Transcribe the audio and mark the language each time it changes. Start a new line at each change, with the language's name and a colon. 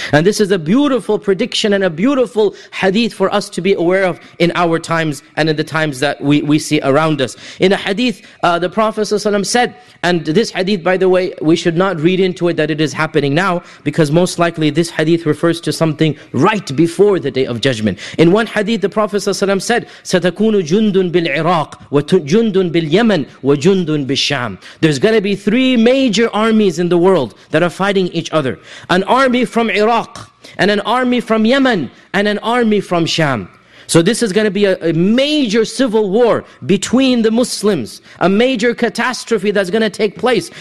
English: And this is a beautiful prediction and a beautiful hadith for us to be aware of in our times and in the times that we see around us. In a hadith, the Prophet ﷺ said, and this hadith, by the way, we should not read into it that it is happening now, because most likely this hadith refers to something right before the Day of Judgment. In one hadith, the Prophet ﷺ said,
Arabic: سَتَكُونُ جُنْدٌ بِالْعِرَاقِ وَجُنْدٌ بِالْيَمَنِ وَجُنْدٌ بِالشَّامِ.
English: There's going to be three major armies in the world that are fighting each other. An army from Iraq, and an army from Yemen, and an army from Sham. So this is going to be a major civil war between the Muslims, a major catastrophe that's going to take place.